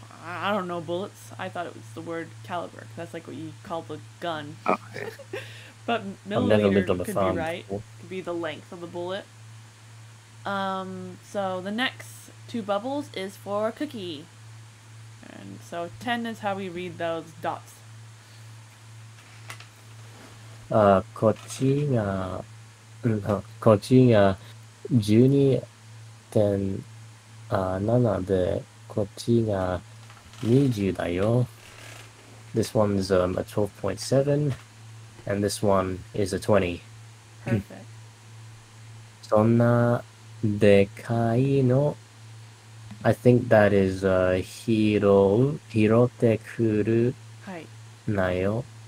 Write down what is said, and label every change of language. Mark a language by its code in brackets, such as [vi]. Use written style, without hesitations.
[en] I don't know bullets. I thought it was the word caliber. That's like what you call the gun. But millimeter could be right. Could be the length of the bullet. So the next two bubbles is for cookie. And so 10 is how we read those dots. [ja] こっちが12.7でこっちが20だよ. [en] This one's a 12.7, and this one is a 20. Perfect. [ja] そんなでかいの? [en] I think that is a [ja] 拾う, 拾ってくるなよ.